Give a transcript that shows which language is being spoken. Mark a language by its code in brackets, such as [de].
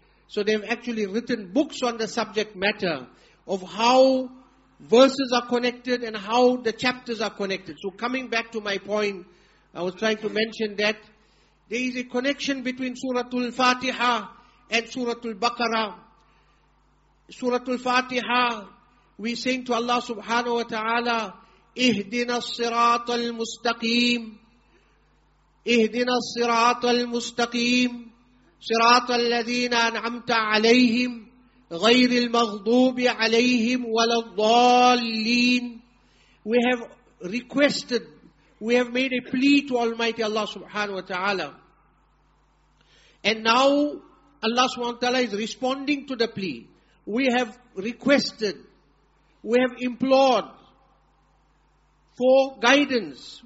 [en] So they've actually written books on the subject matter of how verses are connected and how the chapters are connected. So coming back to my point, I was trying to mention that there is a connection between Suratul Fatiha and Suratul Baqarah. Suratul Fatiha, we sing to Allah subhanahu wa ta'ala, [ar] اهدنا الصراط المستقيم اهدنا الصراط المستقيم صراط الذين أنعمت عليهم غير المغضوب عليهم ولا الضالين. [en] We have requested, we have made a plea to Almighty Allah subhanahu wa ta'ala. And now Allah subhanahu wa ta'ala is responding to the plea. We have requested, we have implored for guidance.